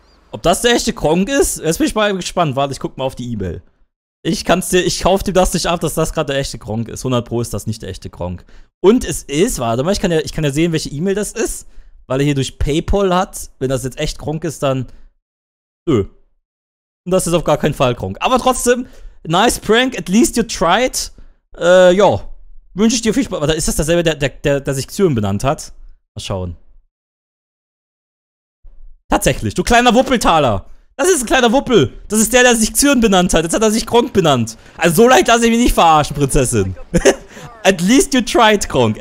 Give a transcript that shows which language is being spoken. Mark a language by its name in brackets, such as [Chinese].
[German] Ob das der echte Gronk ist? Jetzt bin ich mal gespannt. Warte, ich guck mal auf die E-Mail. Ich kaufe dir das nicht ab, dass das gerade der echte Gronk ist. 100 Pro ist das nicht der echte Gronk. Und es ist, warte mal, ich kann ja sehen, welche E-Mail das ist, weil er hier durch PayPal hat. Wenn das jetzt echt Gronk ist, dann nö. Und das ist auf gar keinen Fall Gronk. Aber trotzdem, [English] nice prank, at least you tried. [German] Ja, wünsche ich dir viel Spaß. Warte, ist das derselbe, der sich Xyrn benannt hat? Mal schauen. Tatsächlich, du kleiner Wuppeltaler. Das ist ein kleiner Wuppel. Das ist der sich Xyrn benannt hat. Jetzt hat er sich Gronk benannt. Also so leicht lasse ich mich nicht verarschen, Prinzessin. [English] At least you tried, [German] Gronk.